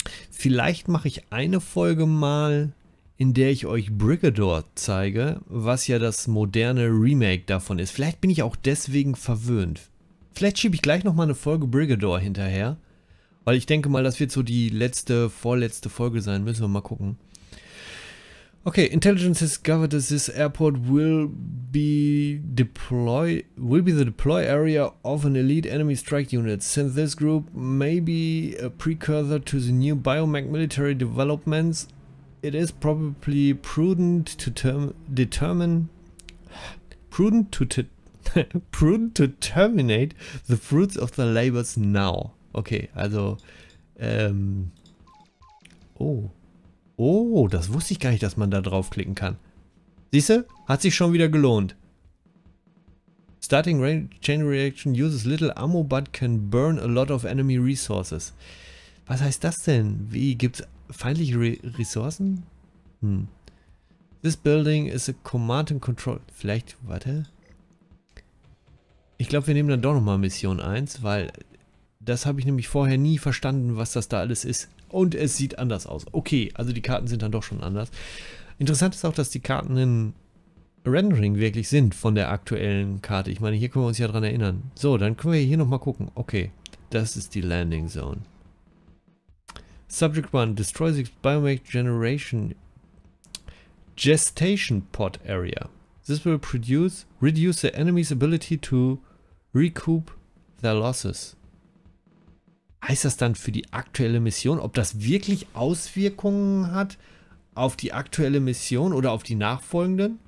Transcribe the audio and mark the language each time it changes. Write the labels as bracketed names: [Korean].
[German] Vielleicht mache ich eine Folge mal, in der ich euch Brigador zeige, was ja das moderne Remake davon ist. Vielleicht bin ich auch deswegen verwöhnt. Vielleicht schiebe ich gleich nochmal eine Folge Brigador hinterher. Weil ich denke mal, das wird so die letzte, vorletzte Folge sein. Müssen wir mal gucken. [English] Okay, Intelligence discovered that this airport will be the deploy area of an elite enemy strike unit. Since this group may be a precursor to the new biomech military developments, it is probably prudent to terminate the fruits of the labors now. [German] Okay, also oh, das wusste ich gar nicht, dass man da draufklicken kann. Siehste, hat sich schon wieder gelohnt. [English] Starting chain reaction uses little ammo but can burn a lot of enemy resources. [German] Was heißt das denn? Wie gibt's feindliche Ressourcen? [English] This building is a command and control. [German] Vielleicht, warte. Ich glaube, wir nehmen dann doch nochmal Mission 1, weil das habe ich nämlich vorher nie verstanden, was das da alles ist. Und es sieht anders aus. Okay, also die Karten sind dann doch schon anders. Interessant ist auch, dass die Karten in Rendering wirklich sind von der aktuellen Karte. Ich meine, hier können wir uns ja dran erinnern. So, dann können wir hier nochmal gucken. Okay, das ist die Landing Zone. [English] Subject 1, destroy the biomech generation gestation pod area. This will reduce the enemy's ability to recoup their losses. [German] Heißt das dann für die aktuelle Mission, ob das wirklich Auswirkungen hat auf die aktuelle Mission oder auf die nachfolgenden?